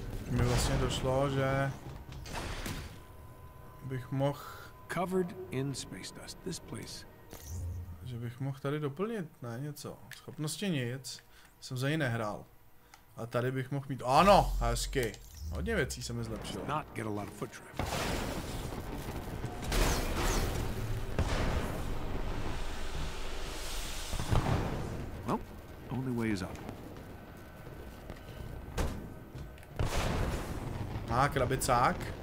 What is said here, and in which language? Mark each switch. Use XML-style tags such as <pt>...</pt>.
<cs>Mi vlastně došlo, že bych mohl</cs> <en>covered in space dust this place.</en> <cs>Že bych mohl tady doplnit na něco. Schopnosti nic. Jsem za ní nehrál. A tady bych mohl mít. Ano, hezky. Hodně věcí se mi zlepšilo.</cs> <en>Not get a lot of foot traffic. Well, only way is up.</en> <cs>A krabicák.</cs>